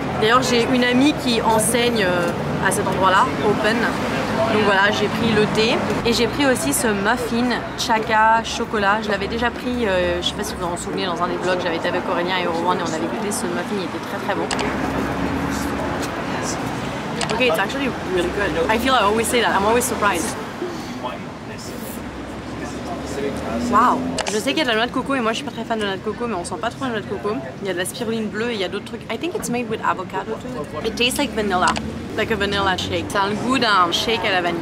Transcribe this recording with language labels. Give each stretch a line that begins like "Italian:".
French: D'ailleurs, j'ai une amie qui enseigne à cet endroit-là, Open. Donc voilà, j'ai pris le thé et j'ai pris aussi ce muffin chaka chocolat. Je l'avais déjà pris, je sais pas si vous en souvenez, dans un des vlogs, j'avais été avec Aurélien et Erewhon et on avait goûté ce muffin, il était très bon.
English: Ok, it's actually really good. I feel I always say that, I'm always surprised. Wow.
French: Je sais qu'il y a de la noix de coco et moi je suis pas très fan de noix de coco, mais on sent pas trop la noix de coco. Il y a de la spiruline bleue et il y a d'autres trucs.
English: I think it's made with avocado too. It tastes like vanilla. Like a vanilla shake.
French: Ça a le goût d'un shake à la vanille.